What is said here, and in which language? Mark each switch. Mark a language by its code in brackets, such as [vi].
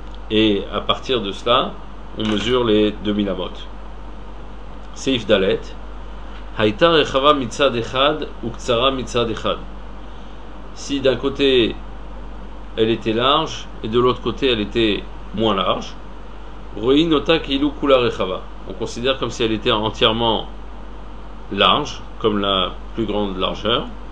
[fr] Et à partir de cela, on mesure les 2000 amot. [he] Seif Dalet. הייתה רחבה מצד אחד וקצרה מצד אחד. [fr] Si d'un côté elle était large et de l'autre côté elle était moins large, [he] רואין אותה כאילו כולה רחבה. [fr] On considère comme si elle était entièrement large, comme la plus grande largeur.